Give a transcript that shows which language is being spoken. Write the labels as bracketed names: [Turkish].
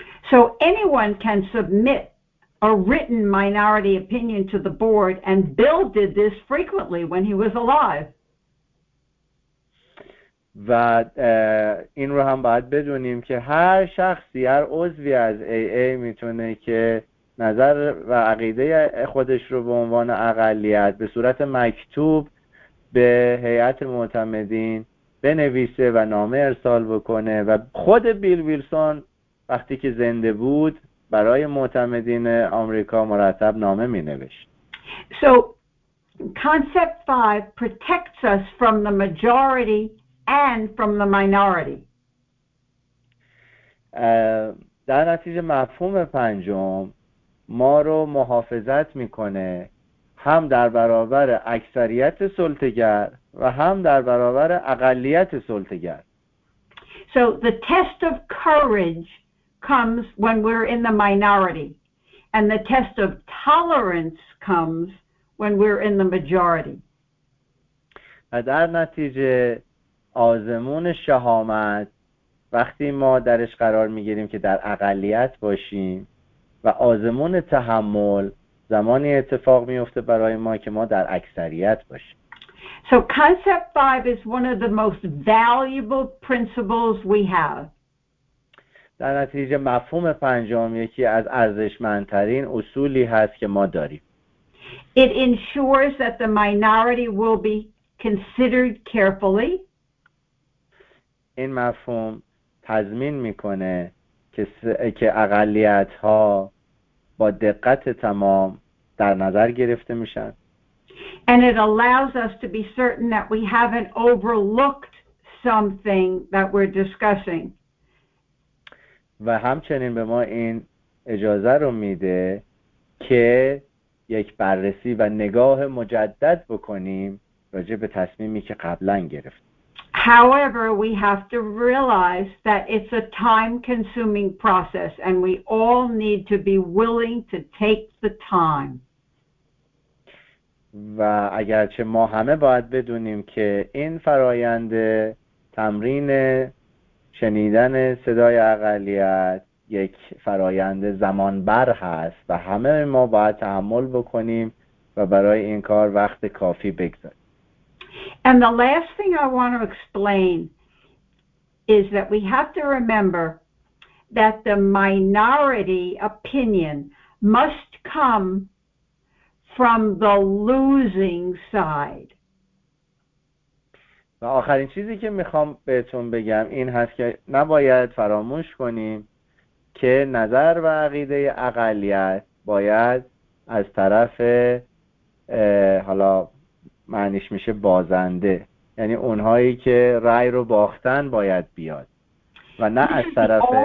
[English] So anyone can submit a written minority opinion to the board, and Bill did this frequently when he was alive. [Persian] و این رو هم باید بدونیم که هر شخصی، هر عضوی از AA میتونه که نظر و عقیده خودش رو به عنوان اقلیت به صورت مکتوب به هیئت معتمدین بنویسه و نامه ارسال بکنه. و خود بیل ویلسون وقتی که زنده بود برای معتمدین آمریکا مرتب نامه مینوشت. [English] So concept 5 protects us from the majority and from the minority. [Persian] در نتیجه مفهوم پنجم ما رو محافظت میکنه هم در برابر اکثریت سلطه‌گر و هم در برابر اقلیت سلطه‌گر. [English] So the test of courage comes when we're in the minority, and the test of tolerance comes when we're in the majority. [Persian] و در نتیجه آزمون شهامت وقتی ما درش قرار میگیریم که در اقلیت باشیم و آزمون تحمل زمانی اتفاق میفته برای ما که ما در اکثریت باشیم. [English] So concept 5 is one of the most valuable principles we have. [Persian] در نتیجه مفهوم پنجم یکی از ارزشمندترین اصولی هست که ما داریم. [English] It ensures that the minority will be considered carefully. [Persian] این مفهوم تضمین میکنه که اقلیت ها با دقت تمام در نظر گرفته میشن. [English] And it allows us to be certain that we haven't overlooked something that we're discussing. [Persian] و همچنین به ما این اجازه رو میده که یک بررسی و نگاه مجدد بکنیم راجع به تصمیمی که قبلا گرفتیم. [English] However, we have to realize that it's a time-consuming process and we all need to be willing to take the time. [Persian] و اگرچه ما همه باید بدونیم که این فرایند تمرین شنیدن صدای اقلیت یک فرایند زمان بر هست و همه ما باید تحمل بکنیم و برای این کار وقت کافی بگذاریم. [English] And the last thing I want to explain is that we have to remember that the minority opinion must come from the losing side. [Persian] و آخرین چیزی که میخوام بهتون بگم این هست که نباید فراموش کنیم که نظر و عقیده اقلیت باید از طرف حالا معنیش میشه بازنده، یعنی اونهایی که رأی رو باختن باید بیاد و نه از طرف